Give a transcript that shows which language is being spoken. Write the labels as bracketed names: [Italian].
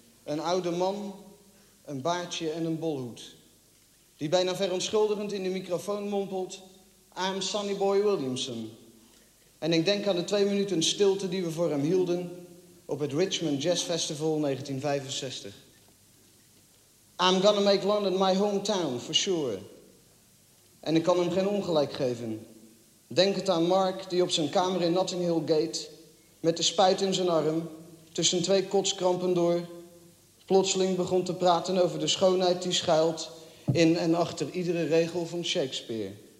[Dutch] Een oude man, een baardje en een bolhoed. Die bijna verontschuldigend in de microfoon mompelt, [English] I'm Sonny Boy Williamson. [Dutch] En ik denk aan de 2 minuten stilte die we voor hem hielden op het Richmond Jazz Festival 1965. [English] I'm gonna make London my hometown, for sure. [Dutch] En ik kan hem geen ongelijk geven. Denk het aan Mark, die op zijn kamer in Notting Hill Gate, met de spuit in zijn arm, tussen 2 kotskrampen door, plotseling begon te praten over de schoonheid die schuilt in en achter iedere regel van Shakespeare.